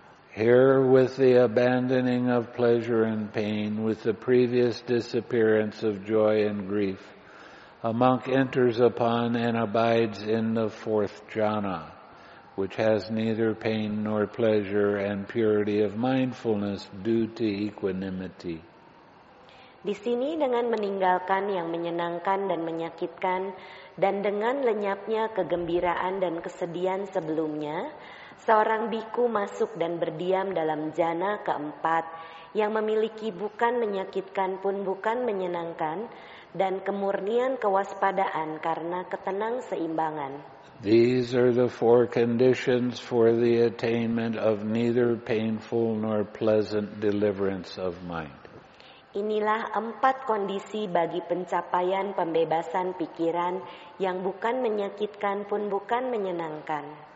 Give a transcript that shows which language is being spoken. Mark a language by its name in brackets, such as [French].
[English] Here with the abandoning of pleasure and pain, with the previous disappearance of joy and grief, a monk enters upon and abides in the 4th jhana, which has neither pain nor pleasure and purity of mindfulness due to equanimity. [Indonesian] Di sini dengan meninggalkan yang menyenangkan dan menyakitkan, dan dengan lenyapnya kegembiraan dan kesedihan sebelumnya, seorang bhikkhu masuk dan berdiam dalam jhana keempat yang memiliki bukan menyakitkan pun bukan menyenangkan dan kemurnian kewaspadaan karena ketenang seimbangan. [English] These are the 4 conditions for the attainment of neither painful nor pleasant deliverance of mind. [Indonesian] Inilah 4 kondisi bagi pencapaian pembebasan pikiran yang bukan menyakitkan pun bukan menyenangkan.